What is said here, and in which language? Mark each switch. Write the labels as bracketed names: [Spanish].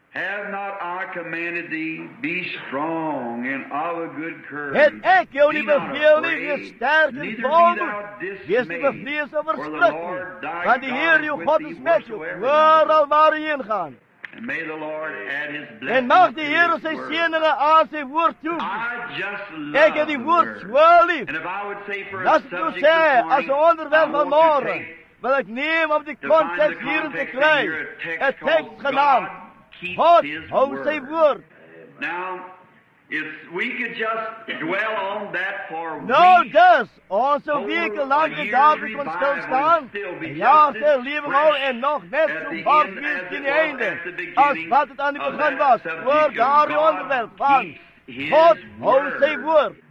[English] Have not I commanded thee, be strong and of a good courage. [Afrikaans] Het ek jou nie beveel nie, wees sterk en bemoedig. Wees nie bevrees of verskrik nie. Want die Heer jou God is met jou, oral waar jy ingaan. [English] And may the Lord add his blessing. [Afrikaans] En mag die Heer sy seëninge aan sy woord toe. Ek het die woord so lief. Laat ek jou sê, as 'n onderwerp van môre, wil ek neem om die konteks hier te kry. 'N teks genaamd. God hou sy woord. [English] Now, if we could just dwell on that for weeks. [Afrikaans] Nou dus, ons sou week lank daarby kon stilstaan. Ja, sy lewe hou en nog net so vol wees teen die einde. As wat het aan die begin was, oor daardie onderwerp van God hou sy woord.